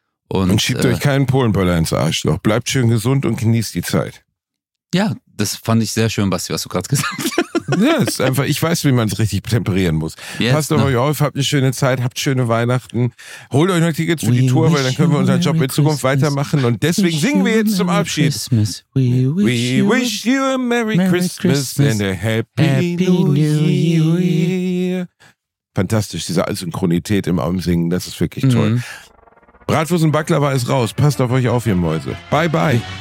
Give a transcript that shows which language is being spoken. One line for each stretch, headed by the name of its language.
German: Und schiebt euch keinen Polenböller ins Arschloch. Bleibt schön gesund und genießt die Zeit. Ja, das fand ich sehr schön, Basti, was du gerade gesagt hast. Ja, es ist einfach, ich weiß, wie man es richtig temperieren muss. Jetzt, passt auf euch auf, habt eine schöne Zeit, habt schöne Weihnachten. Holt euch noch Tickets für die Tour, weil dann können wir unseren Job in Zukunft weitermachen. Und deswegen singen wir jetzt zum Abschied.
English: We wish you a Merry Christmas and a Happy New Year.
German: Fantastisch, diese Allsynchronität im Umsingen, das ist wirklich toll. Bratwurst und Baklava ist raus. Passt auf euch auf, ihr Mäuse. Bye, bye.